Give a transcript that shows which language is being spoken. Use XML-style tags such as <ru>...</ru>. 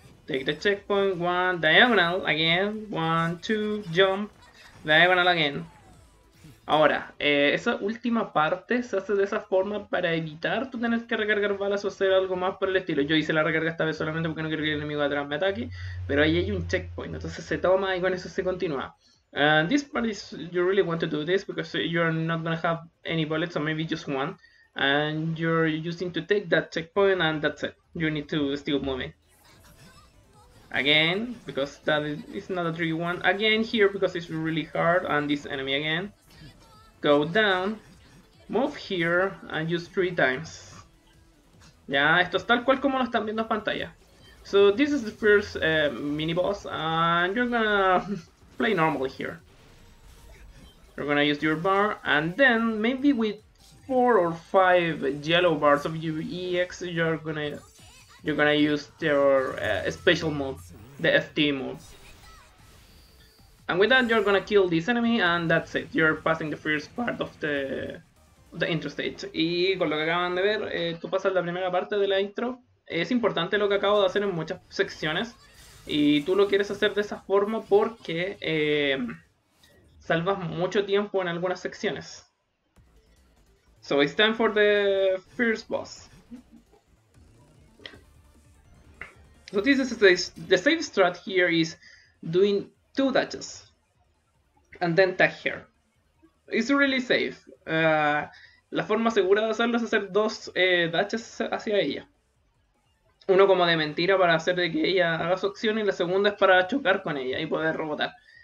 <en>Take the checkpoint, one, diagonal again. One, two, jump, diagonal again.</en> <es>Ahora, esa última parte se hace de esa forma para evitar tú tener que recargar balas o hacer algo más por el estilo. Yo hice la recarga esta vez solamente porque no quiero que el enemigo atrás me ataque, pero ahí hay un checkpoint, entonces se toma y con eso se continúa.</es> <en>This part is, you really want to do this because you're not gonna have any bullets, or maybe just one, and you're using to take that checkpoint and that's it. You need to still move it. Again, because that is not a tricky one. Again here, because it's really hard, and this enemy again. Go down, move here, and use 3 times.</en> <es>Ya, esto es tal cual como lo están viendo en pantalla.</es> <en>So this is the first mini boss, and you're gonna play normally here. You're gonna use your bar, and then maybe with 4 or 5 yellow bars of your EX, you're gonna use their special move, the FT move. And with that, you're gonna kill this enemy, and that's it. You're passing the first part of the intro stage.</en> <es>Y con lo que acaban de ver, tú pasas la primera parte de la intro. Es importante lo que acabo de hacer en muchas secciones. Y tú lo quieres hacer de esa forma porque salvas mucho tiempo en algunas secciones.</es> <en>So it's time for the first boss. So this is the safe strat here is doing 2 dashes and then tag here. It's really safe.</en> <es>La forma segura de hacerlo es hacer 2 dashes hacia ella. Uno como de mentira para hacer de que ella haga su acción, y la segunda es para chocar con ella y poder rebotar.</es>